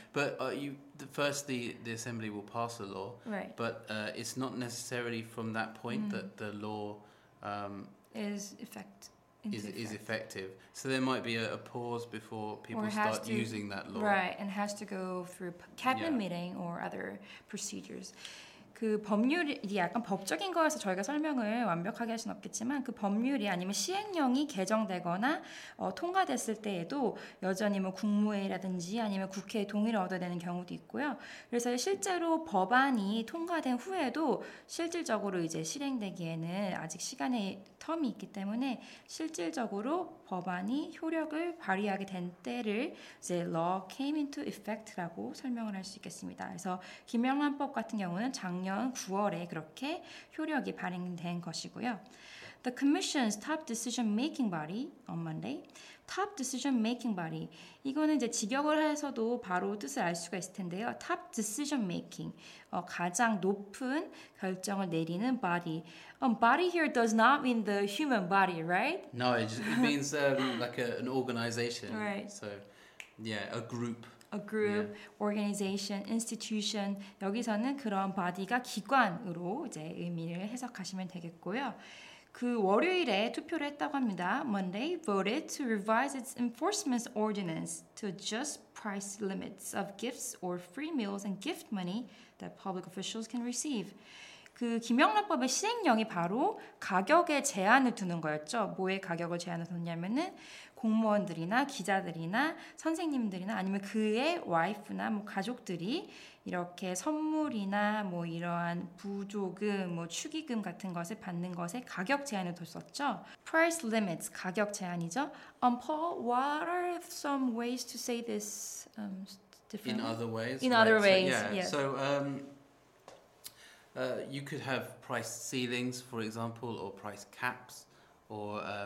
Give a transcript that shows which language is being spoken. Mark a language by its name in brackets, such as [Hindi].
[English] But the assembly will pass a law, right, but it's not necessarily from that point mm. that the law is effective. So there might be a pause before people start using that law. Right, and has to go through cabinet yeah. meeting or other procedures. [Korean] 그 법률이 약간 법적인 거여서 저희가 설명을 완벽하게 할 수는 없겠지만 그 법률이 아니면 시행령이 개정되거나 통과됐을 때에도 여전히 뭐 국무회의라든지 아니면 국회의 동의를 얻어야 되는 경우도 있고요. 그래서 실제로 법안이 통과된 후에도 실질적으로 이제 실행되기에는 아직 시간의 텀이 있기 때문에 실질적으로 법안이 효력을 발휘하게 된 때를 이제 [English] law came into effect [Korean] 라고 설명을 할 수 있겠습니다. 그래서 김영란법 같은 경우는 작년 9월에 그렇게 효력이 발행된 것이고요. [English] The commission's top decision-making body on Monday. Top decision-making body. [Korean] 이거는 이제 직역을 해서도 바로 뜻을 알 수가 있을 텐데요. [English] Top decision-making. [Korean] 가장 높은 결정을 내리는 body. [English] Body here does not mean the human body, right? No, it means like an organization. Right. So, yeah, a group. A group, yeah. organization, institution. [Korean] 여기서는 그런 body가 기관으로 이제 의미를 해석하시면 되겠고요. 그 월요일에 투표를 했다고 합니다. [English] Monday voted to revise its enforcement ordinance to adjust price limits of gifts or free meals and gift money that public officials can receive. [Korean] 그 김영란법의 시행령이 바로 가격에 제한을 두는 거였죠. 뭐에 가격을 제한을 뒀냐면은 공무원들이나 기자들이나 선생님들이나 아니면 그의 와이프나 뭐 가족들이 이렇게 선물이나 뭐 이러한 부조금, 뭐 축의금 같은 것을 받는 것에 가격 제한을 뒀었죠. [English] Price limits, [Korean] 가격 제한이죠. [English] Paul, what are some ways to say this differently? In other ways. In other ways, so, yeah. So, you could have price ceilings, for example, or price caps, or...